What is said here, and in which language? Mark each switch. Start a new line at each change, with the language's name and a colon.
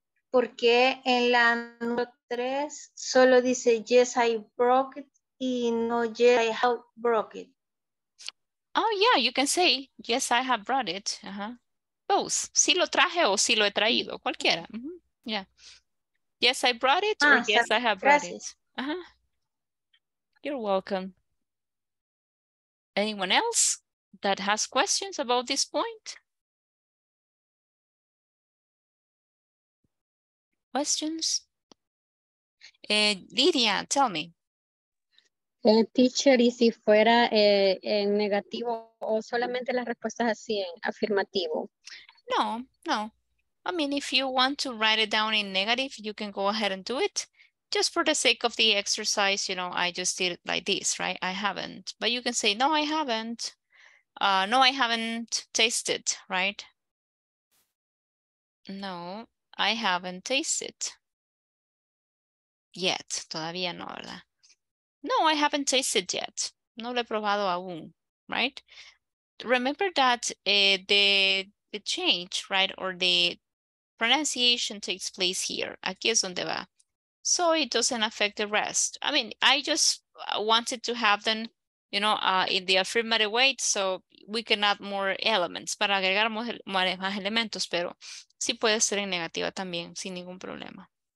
Spanish: ¿Por qué en la número 3 solo dice
English: yes, I broke it
Spanish: y no
English: yes, I have broke it? Oh, yeah, you can say yes, I have brought it. Both.
Spanish: Si lo traje o si lo he traído. Cualquiera. Mm-hmm.
English: Yeah. Yes, I brought it or yes, sorry. I have brought
Spanish: Gracias.
English: It. You're welcome. Anyone else that has questions about this point? Questions? Lidia, tell me.
Spanish: Teacher, y si fuera en negativo o solamente las respuestas así en afirmativo?
English: No, no. I mean, if you want to write it down in negative, you can go ahead and do it. Just for the sake of the exercise, you know, I just did it like this, right? I haven't. But you can say, no, I haven't. No, I haven't tasted, right? No, I haven't tasted. Yet.
Spanish: Todavía no, ¿verdad?
English: No, I haven't tasted yet.
Spanish: No lo he probado aún,
English: right? Remember that the change, right, or the pronunciation takes place here.
Spanish: Aquí es donde va.
English: So it doesn't affect the rest. I mean, I just wanted to have them, you know, in the affirmative way, so we can add more elements.
Spanish: Para agregar más elementos, pero sí puede ser en negativa también, sin ningún problema.